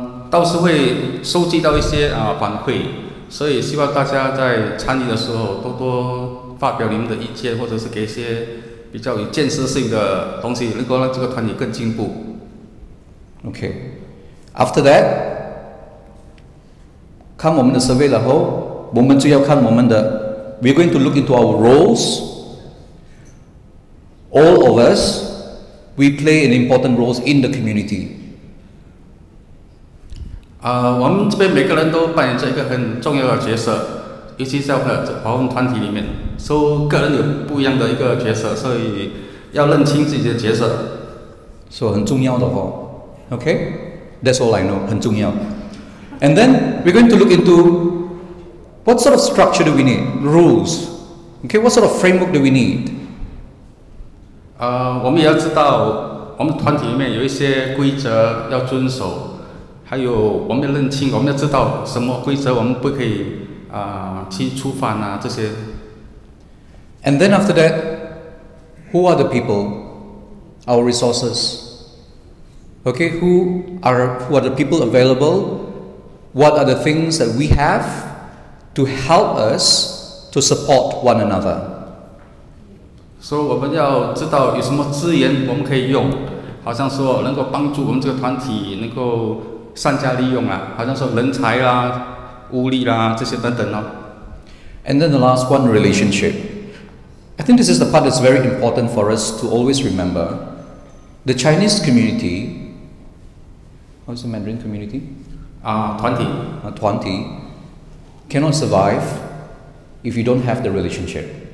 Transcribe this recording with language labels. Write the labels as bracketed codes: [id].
[zh] 到时会收集到一些反馈，所以希望大家在参与的时候多多发表你们的意见，或者是给一些比较有建设性的东西，能够让这个团体更进步。 [en] Okay. After that, [zh] 看我们的 [en] survey [zh] 然后我们就要看我们的 [en] We're going to look into our roles All of us We play an important role in the community [zh] 我们这边每个人都扮演着一个很重要的角色尤其在华文团体里面所以、个人有不一样的一个角色所以要认清自己的角色所以、很重要的、 [en] Okay That's all I know [zh] 很重要 [en] And then we're going to look into what sort of structure do we need? Rules. Okay, what sort of framework do we need? [zh] 我们也要知道我们团体里面有一些规则要遵守，还有我们要认清，我们要知道什么规则我们不可以去触犯啊这些。 [en] And then after that, who are the people? Our resources. Okay, who are the people available? what are the things that we have to help us to support one another. [zh] So, 我们要知道有什么资源我们可以用，好像说能够帮助我们这个团体能够善加利用啊，好像说人才啦、物力啦这些等等哦。 [en] And then the last one, relationship. I think this is the part that's very important for us to always remember. The Chinese community, what's the Mandarin community? [zh] 团体 [en] cannot survive if you don't have the relationship.